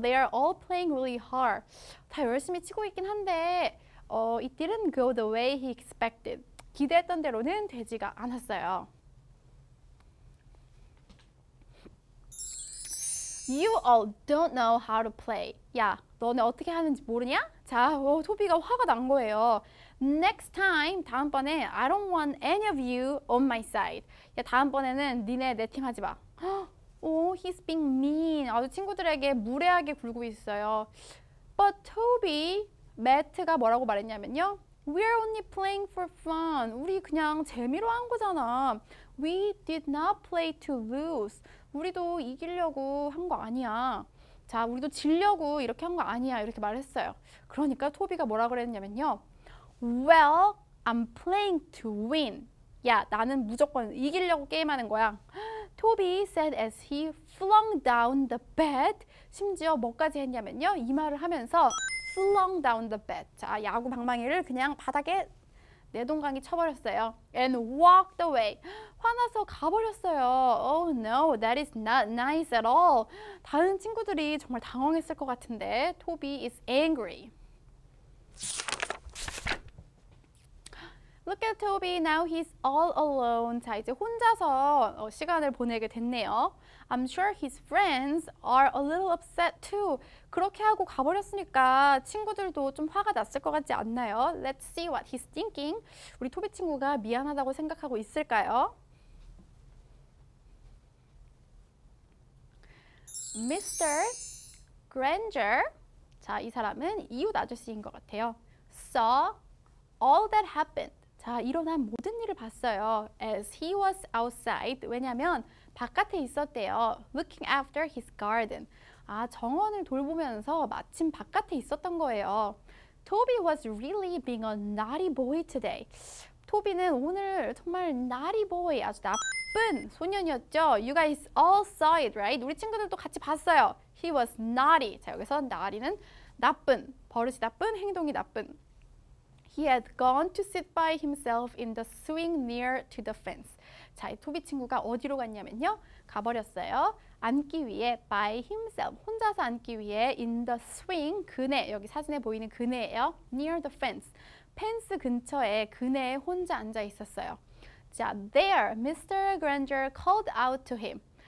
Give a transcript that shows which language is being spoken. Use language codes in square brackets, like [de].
[en] They are all playing really hard. [ko] 다 열심히 치고 있긴 한데 [en] it didn't go the way he expected. [ko] 기대했던 대로는 되지가 않았어요. [en] You all don't know how to play. [ko] 야, 너네 어떻게 하는지 모르냐? 자, 토비가 화가 난 거예요. [en] Next time, [ko] 다음번에 [en] I don't want any of you on my side. [ko] 야, 다음번에는 니네 내 팀 하지 마. [en] 오, he's being mean. [ko] 아주 친구들에게 무례하게 굴고 있어요. [en] But Toby, [ko] 매트가 뭐라고 말했냐면요. [en] We're only playing for fun. [ko] 우리 그냥 재미로 한 거잖아. [en] We did not play to lose. [ko] 우리도 이기려고 한 거 아니야. 자, 우리도 지려고 이렇게 한 거 아니야. 이렇게 말했어요. 그러니까 토비가 뭐라 그랬냐면요. [en] Well, I'm playing to win. [ko] 야, 나는 무조건 이기려고 게임하는 거야. [en] Toby said as he flung down the bat. [ko] 심지어 뭐까지 했냐면요. 이 말을 하면서 [en] flung down the bat. [ko] 자, 야구 방망이를 그냥 바닥에 내동강이 쳐버렸어요. [en] And walked away. [ko] 화나서 가버렸어요. [en] Oh no, that is not nice at all. [ko] 다른 친구들이 정말 당황했을 것 같은데 [en] Toby is angry. Look at Toby, now he's all alone. [ko] 자, 이제 혼자서 시간을 보내게 됐네요. [en] I'm sure his friends are a little upset too. [ko] 그렇게 하고 가버렸으니까 친구들도 좀 화가 났을 것 같지 않나요? [en] Let's see what he's thinking. [ko] 우리 토비 친구가 미안하다고 생각하고 있을까요? Mr. Granger, 자, 이 사람은 이웃 아저씨인 것 같아요. [en] Saw all that happened. [ko] 자, 일어난 모든 일을 봤어요. [en] As he was outside, [ko] 왜냐면 바깥에 있었대요. [en] Looking after his garden. [ko] 아, 정원을 돌보면서 마침 바깥에 있었던 거예요. [en] Toby was really being a naughty boy today. [ko] 토비는 오늘 정말 naughty boy, 아주 나쁜 소년이었죠. [en] You guys all saw it, right? [ko] 우리 친구들도 같이 봤어요. [en] He was naughty. [ko] 자, 여기서 naughty는 나쁜, 버릇이 나쁜, 행동이 나쁜. [en] He had gone to sit by himself in the swing near to the fence. [ko] 자, 이 토비 친구가 어디로 갔냐면요. 가버렸어요. 앉기 위해 [en] by himself. [ko] 혼자서 앉기 위해 in the swing, 그네. 여기 사진에 보이는 그네예요. [en] Near the fence. [ko] 펜스 근처에 그네에 혼자 앉아 있었어요. [en] 자, there Mr. Granger called out to him.